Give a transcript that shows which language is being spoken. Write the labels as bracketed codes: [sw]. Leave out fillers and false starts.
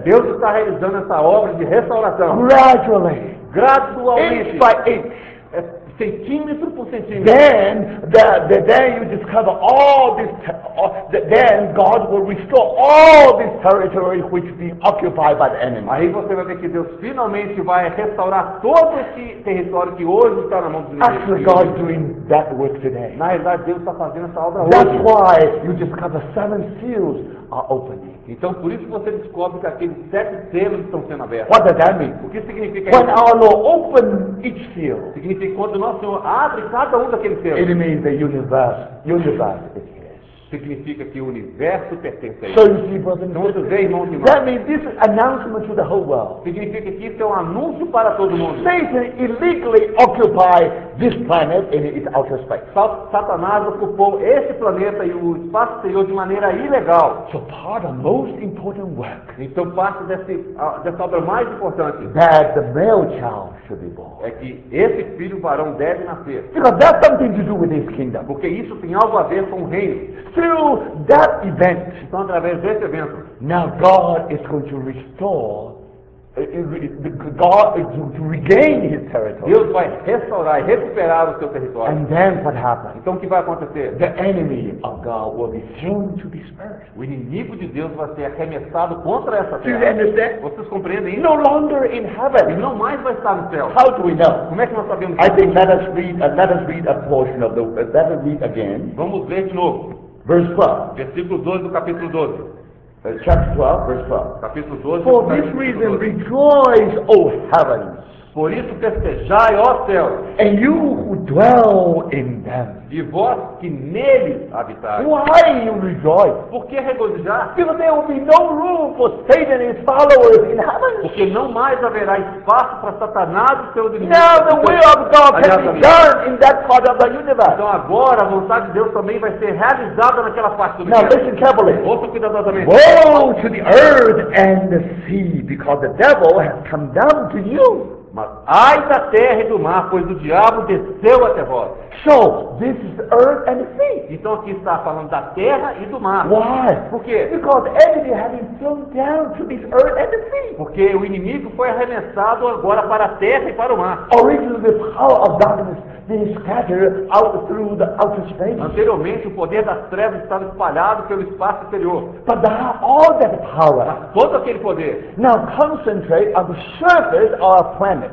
[pt] Deus está realizando essa obra de restauração. [en] Gradually. [pt] Gradualmente. [en] Inch by inch. [pt] Centímetro por centímetro. [en] Then then you discover all this. Then God will restore all this territory which been occupied by the enemy. [pt] Aí você vai ver que Deus finalmente vai restaurar todo esse território que hoje está na mão do inimigo. [en] Actually, God is doing that work today. [pt] Na verdade, Deus está fazendo essa obra hoje. [en] That's why you discover seven seals are opening. [pt] Então, por isso você descobre que aqueles sete selos estão sendo abertos. [en] What does that mean? [pt] O que significa [en] When our Lord open each seal. [pt] Significa quando o nosso Senhor abre cada um daqueles selos. [en] It means the universe is his. [pt] Significa que o universo pertence a ele. [en] So you see, brothers and sisters, that means this is announcement to the whole world. [pt] Significa que isso é um anúncio para todo mundo. [en] Satan illegally occupy this planet in its outer space. [pt] Satanás ocupou esse planeta e o espaço exterior de maneira ilegal. [en] So part of most important work. [pt] Então parte dessa obra mais importante. [en] That the male child should be born. [pt] É que esse filho varão deve nascer. [en] Because that's something to do with his kingdom. [pt] Porque isso tem algo a ver com o reino. [en] Through that event. [pt] Então através desse evento. [en] Now God is going to restore. God is to regain his territory. [pt] Deus vai restaurar e recuperar o seu território. [en] And then what happens? [pt] Então o que vai acontecer? [en] The enemy of God will be thrown to disperse. [pt] O inimigo de Deus vai ser arremessado contra essa terra. [en] Do you understand? [pt] Vocês compreendem? [en] No longer in heaven. [pt] Ele não mais vai estar no céu. [en] How do we know? [pt] Como é que nós sabemos? [en] I think let us read a portion of the let us read again. [pt] Vamos ler de novo. [en] Verse 12. [pt] Versículo 12 do capítulo 12. [en] Chapter 12, verse 12. [pt] Capítulo 12. [en] For this reason, rejoice, O heavens. [pt] Por isso festejai, ó céus. [en] And you who dwell in them. [pt] E vós que neles habitais. [en] Why you rejoice? [pt] Por que regozijar? [en] Because there will be no room for Satan and his followers in heaven. [pt] Porque não mais haverá espaço para Satanás e seus inimigos. [en] Now the will of God can be done in that part of the universe. [pt] Então agora a vontade de Deus também vai ser realizada naquela parte do universo. [en] Now listen carefully. [pt] Ouça cuidadosamente. [en] Woe to the earth and the sea, because the devil has come down to you. [pt] Mas ai da terra e do mar, pois o diabo desceu até vós. [en] So, this is earth and sea. [pt] Então aqui está falando da terra e do mar. [en] Why? [pt] Por quê? [en] Because enemy has been thrown down to this earth and sea. [pt] Porque o inimigo foi arremessado agora para a terra e para o mar. [en] Originally, the power of darkness been scattered out through the outer space. [pt] Anteriormente, o poder das trevas estava espalhado pelo espaço exterior. [en] But now all that power. [pt] Mas todo aquele poder. [en] Now concentrate on the surface of our planet.